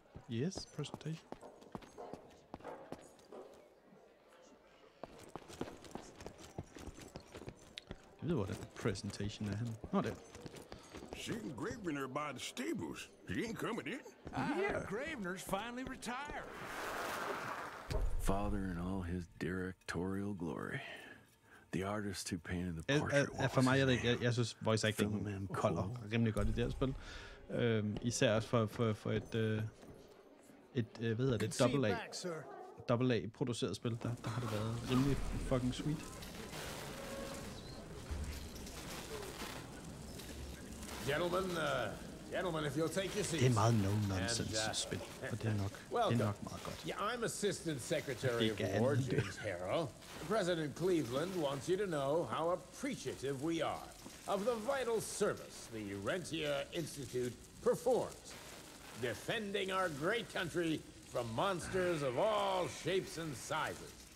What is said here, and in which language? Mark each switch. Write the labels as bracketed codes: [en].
[en] Yes, presentation. [da] Jeg ved, hvor den presentation er henne. Nå, der. [en] Seen Gravener by the stables. He ain't coming in. Yeah. Gravener's finally retired. Father in all his directorial glory. The artist who painted the portrait. [da] For mig, jeg synes, voice acting kolder rimelig godt i det her spil. Især også for et double A. Double A produceret spil, der har det været rimelig [en] fucking sweet. Gentlemen, if you'll take your seats. [da] Det er meget no-nonsense spil, og det er nok meget godt. [en] Yeah, I'm Assistant Secretary of War, James Harrell. President Cleveland wants you to know how appreciative we are of the vital service the Urentia Institute performs, defending our great country from monsters of all shapes and sizes.